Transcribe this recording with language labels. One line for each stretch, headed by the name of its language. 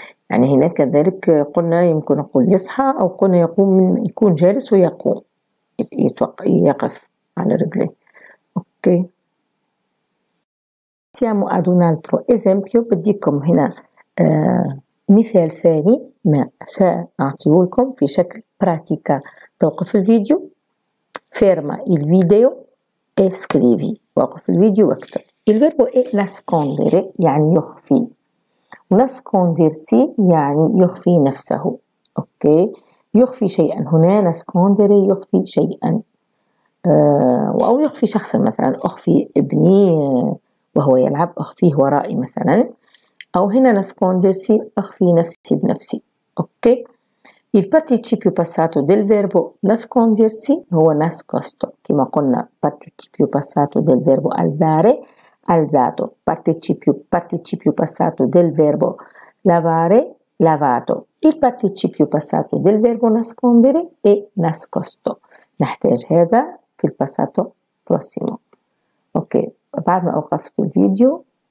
Arabic: يعني هنا كذلك قلنا يمكن نقول يصحى أو قلنا يقوم من يكون جالس ويقوم يقف على رجليه. أوكي.
Italian: Siamo ad un altro esempio,
Arabic: بديكم هنا مثال ثاني ما سأعطيه لكم في شكل براتيكا. توقف الفيديو,
Italian: ferma il video e scrivi.
Arabic: وقف الفيديو واكتب. الفيربو
Italian: è nascondere,
Arabic: يعني يخفي. Nascondersi يعني يخفي نفسه. اوكي, يخفي شيئا هنا nascondere, يخفي شيئا او يخفي شخصا, مثلا اخفي ابني وهو يلعب, اخفيه ورائي مثلا. او هنا nascondersi, اخفي نفسي بنفسي.
Italian: اوكي, il participio passato del verbo nascondersi هو nascosto,
Arabic: كما قلنا
Italian: participio passato del verbo alzare, alzato. Participio passato del verbo lavare, lavato. Il participio passato del verbo nascondere è nascosto.
Arabic: نحتاج هذا في الباساتو prossimo. Ok, بعد ما وقفت الفيديو.